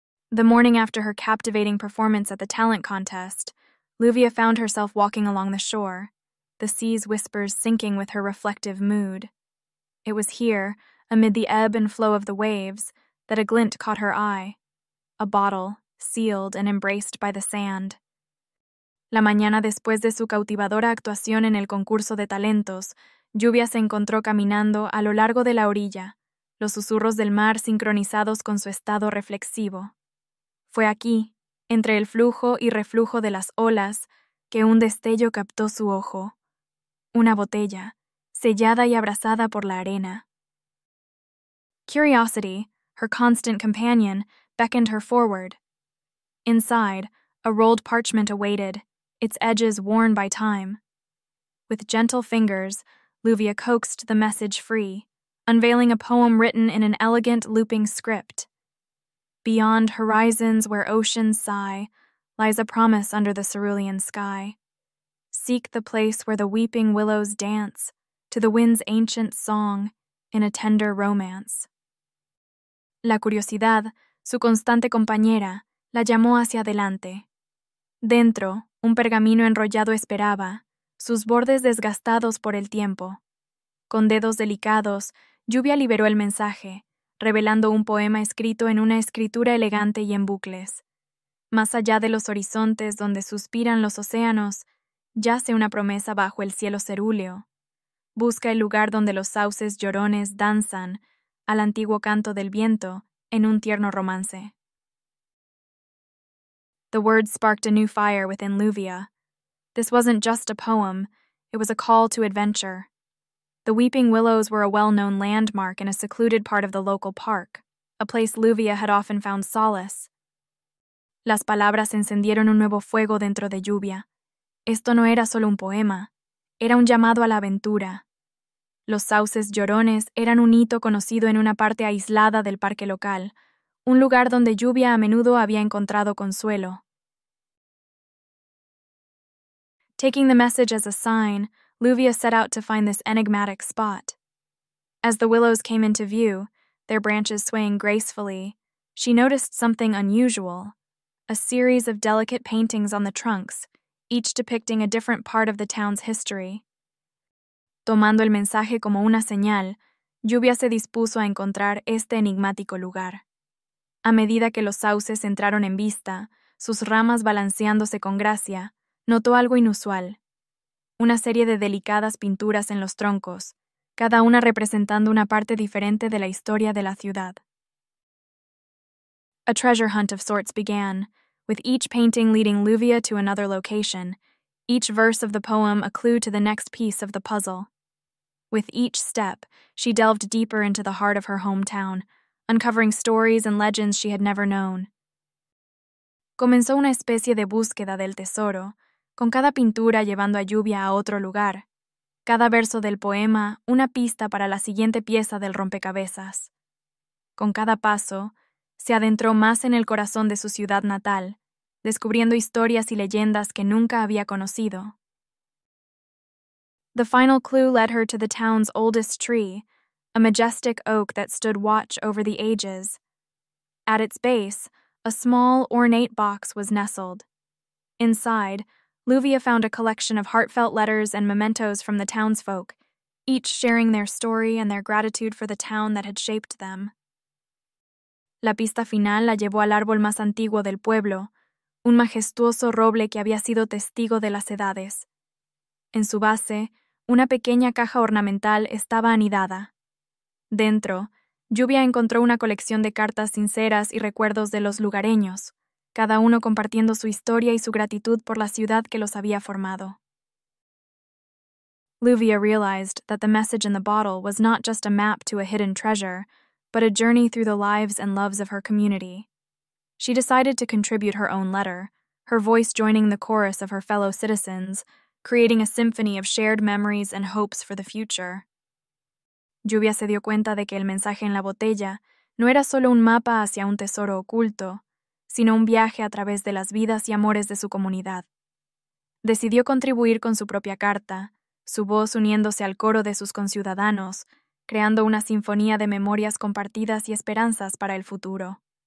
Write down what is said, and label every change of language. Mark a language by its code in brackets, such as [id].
[en] The morning after her captivating performance at the talent contest, Lluvia found herself walking along the shore, the sea's whispers sinking with her reflective mood. It was here, amid the ebb and flow of the waves, that a glint caught her eye, a bottle, sealed and embraced by the sand. [es] La mañana después de su cautivadora actuación en el concurso de talentos, Lluvia se encontró caminando a lo largo de la orilla, los susurros del mar sincronizados con su estado reflexivo. Fue aquí, entre el flujo y reflujo de las olas, que un destello captó su ojo. Una botella, sellada y abrazada por la arena. [en] Curiosity, her constant companion, beckoned her forward. Inside, a rolled parchment awaited, its edges worn by time. With gentle fingers, Lluvia coaxed the message free, unveiling a poem written in an elegant looping script. Beyond horizons where oceans sigh, lies a promise under the cerulean sky. Seek the place where the weeping willows dance, to the wind's ancient song, in a tender romance. [es] La curiosidad, su constante compañera, la llamó hacia adelante. Dentro, un pergamino enrollado esperaba, sus bordes desgastados por el tiempo. Con dedos delicados, Lluvia liberó el mensaje, revelando un poema escrito en una escritura elegante y en bucles. Más allá de los horizontes donde suspiran los océanos, yace una promesa bajo el cielo cerúleo. Busca el lugar donde los sauces llorones danzan al antiguo canto del viento en un tierno romance. [en] The words sparked a new fire within Lluvia. This wasn't just a poem, it was a call to adventure. The weeping willows were a well-known landmark in a secluded part of the local park, a place Lluvia had often found solace. [es] Las palabras encendieron un nuevo fuego dentro de Lluvia. Esto no era solo un poema, era un llamado a la aventura. Los sauces llorones eran un hito conocido en una parte aislada del parque local, un lugar donde Lluvia a menudo había encontrado consuelo. [en] Taking the message as a sign, Lluvia set out to find this enigmatic spot. As the willows came into view, their branches swaying gracefully, she noticed something unusual. A series of delicate paintings on the trunks, each depicting a different part of the town's history. [es] Tomando el mensaje como una señal, Lluvia se dispuso a encontrar este enigmático lugar. A medida que los sauces entraron en vista, sus ramas balanceándose con gracia, notó algo inusual. Una serie de delicadas pinturas en los troncos, cada una representando una parte diferente de la historia de la ciudad. [en] A treasure hunt of sorts began, with each painting leading Lluvia to another location, each verse of the poem a clue to the next piece of the puzzle. With each step, she delved deeper into the heart of her hometown, uncovering stories and legends she had never known. [es] Comenzó una especie de búsqueda del tesoro, con cada pintura llevando a Lluvia a otro lugar, cada verso del poema una pista para la siguiente pieza del rompecabezas. Con cada paso, se adentró más en el corazón de su ciudad natal, descubriendo historias y leyendas que nunca había conocido. [en] The final clue led her to the town's oldest tree, a majestic oak that stood watch over the ages. At its base, a small, ornate box was nestled. Inside, Lluvia found a collection of heartfelt letters and mementos from the townsfolk, each sharing their story and their gratitude for the town that had shaped them. [es] La pista final la llevó al árbol más antiguo del pueblo, un majestuoso roble que había sido testigo de las edades. En su base, una pequeña caja ornamental estaba anidada. Dentro, Lluvia encontró una colección de cartas sinceras y recuerdos de los lugareños, cada uno compartiendo su historia y su gratitud por la ciudad que los había formado. [en] Lluvia realized that the message in the bottle was not just a map to a hidden treasure, but a journey through the lives and loves of her community. She decided to contribute her own letter, her voice joining the chorus of her fellow citizens, creating a symphony of shared memories and hopes for the future. [es] Lluvia se dio cuenta de que el mensaje en la botella no era solo un mapa hacia un tesoro oculto, sino un viaje a través de las vidas y amores de su comunidad. Decidió contribuir con su propia carta, su voz uniéndose al coro de sus conciudadanos, creando una sinfonía de memorias compartidas y esperanzas para el futuro.